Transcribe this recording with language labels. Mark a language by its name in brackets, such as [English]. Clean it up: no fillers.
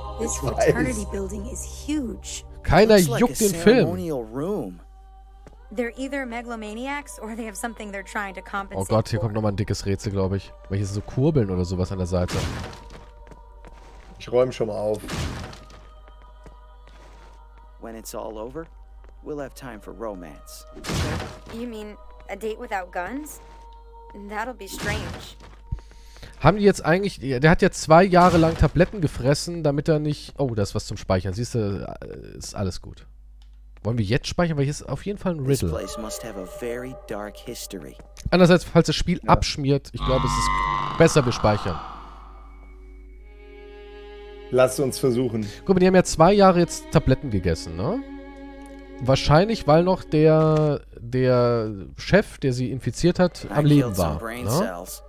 [English] This fraternity building is huge. [German] Keiner juckt den Film. [English] They're either megalomaniacs or they have something they're trying to compensate. [German] Oh Gott, hier kommt nochmal ein dickes Rätsel, glaube ich. Weil hier sind so Kurbeln oder sowas an der Seite. Ich räume schon mal auf. [English] When it's all over, we'll have time for romance. You mean a date without guns? That'll be strange. [German] Haben die jetzt eigentlich... Der hat ja 2 Jahre lang Tabletten gefressen, damit er nicht... Oh, da ist was zum Speichern. Siehst du, ist alles gut. Wollen wir jetzt speichern? Weil hier ist auf jeden Fall ein Riddle. [English] This place must have a very dark history. [German] Andererseits, falls das Spiel abschmiert, ich glaube, es ist besser, wir speichern. Lass uns versuchen. Guck mal, die haben ja 2 Jahre jetzt Tabletten gegessen, ne? Wahrscheinlich, weil noch der Chef, der sie infiziert hat, am Leben war. Ne?